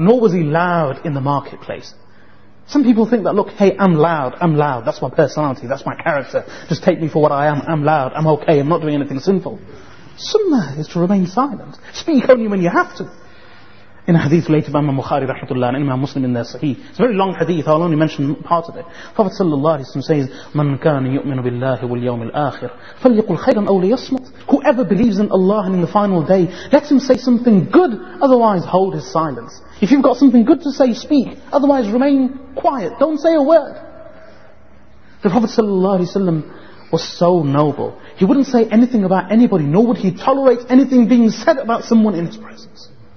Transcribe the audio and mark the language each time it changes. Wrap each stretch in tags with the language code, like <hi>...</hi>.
<en>Nor was he loud in the marketplace. Some people think that, look, hey, I'm loud, that's my personality, that's my character. Just take me for what I am, I'm loud, I'm okay, I'm not doing anything sinful. Sunnah is to remain silent. Speak only when you have to. In a hadith related by Imam Bukhari, rahmatullah, and Imam Muslim in their Sahih. It's a very long hadith, I'll only mention part of it. Prophet sallallahu alayhi wa sallam says,</en> <ar>مَنْ كَانَ يُؤْمِنُ بِاللَّهِ وَالْيَوْمِ الْآخِرِ فَلْيَقُلْ خَيْرًا أَوْ لِيَصْمُتِ.</ar> <en>Whoever believes in Allah and in the final day, let him say something good, otherwise hold his silence. If you've got something good to say, speak. Otherwise remain quiet. Don't say a word. The Prophet sallallahu alayhi wa sallam was so noble. He wouldn't say anything about anybody, nor would he tolerate anything being said about someone in his presence.</en>